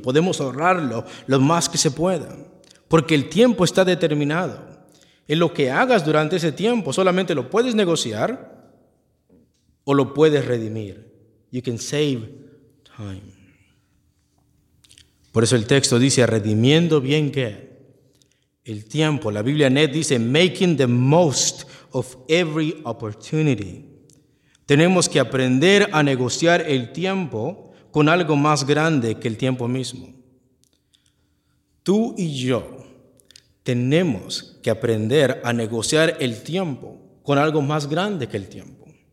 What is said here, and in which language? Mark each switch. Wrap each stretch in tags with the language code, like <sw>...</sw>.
<es>Podemos ahorrarlo lo más que se pueda. Porque el tiempo está determinado. En lo que hagas durante ese tiempo, solamente lo puedes negociar o lo puedes redimir.</es> <en>You can save time.</en> <es>Por eso el texto dice, redimiendo bien ¿qué? El tiempo. La Biblia NET dice,</es> <en>making the most of every opportunity.</en> <es>Tenemos que aprender a negociar el tiempo con algo más grande que el tiempo mismo. Tú y yo tenemos que aprender a negociar el tiempo con algo más grande que el tiempo.</es>